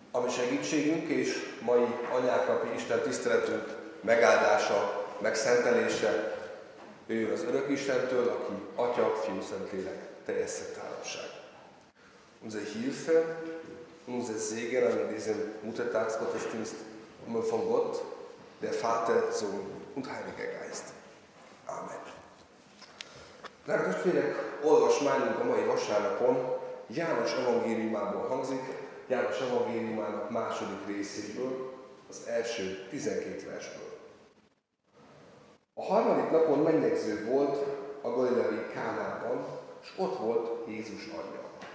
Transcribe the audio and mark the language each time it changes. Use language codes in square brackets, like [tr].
[hu] segítségünk és mai anyáknapi Isten tiszteletünk megáldása, megszentelése. Ő az örök Istentől, aki Atya, Fiú, Szentlélek teljes szent államság. [de] Unser Hilfe, unser Segen an diesem Muttertagsgottesdienst, und von Gott, der Vater, Sohn und Heiliger Geist. Amen. [hu] Drága testvérek, olvasmányunk a mai vasárnapon János evangéliumából hangzik, János evangéliumának második részéből, az első 12 versből. A harmadik napon mennyegző volt a galileai Kánában, és ott volt Jézus anyja.